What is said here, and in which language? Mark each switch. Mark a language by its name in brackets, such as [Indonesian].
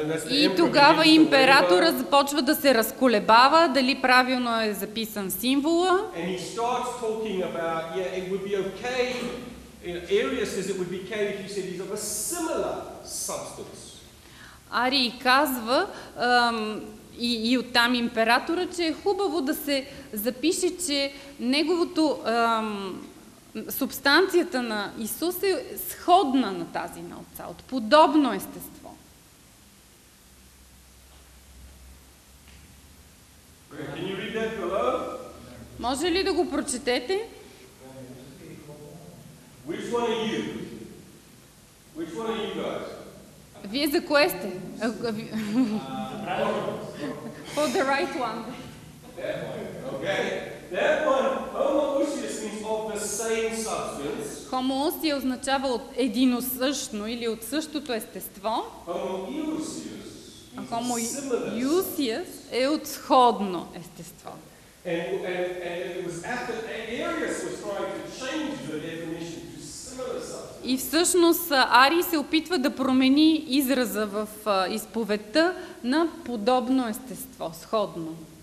[Bulgarian] И тогава императора започва да се разколебава дали правилно е записан символа. [English] And he starts talking about, yeah, it would be okay. Arius says it would be okay if you said he's of a similar substance. [Bulgarian] Арий казва, и оттам императора, че е хубаво да се запише, че неговото субстанцията на Исус е сходна на тази на Отца, от подобно естество. [English] Can you read that below? [Bulgarian] Може ли да го прочетете? [English] Which one are you? Which one are you guys? [Bulgarian] Вие за кое сте? [English] For the right one. That one, okay. That one, homoousios means of the same substance. [Bulgarian] Homoousios означава от единосъщно или от същото естество. [English] Homoousios. [Bulgarian] А homoousios е от сходно естество. [English] And it was after Arius was trying to change the definition. [Bulgarian] И всъщност Арий се опитва да промени израза в изповедта на подобно естество, сходно.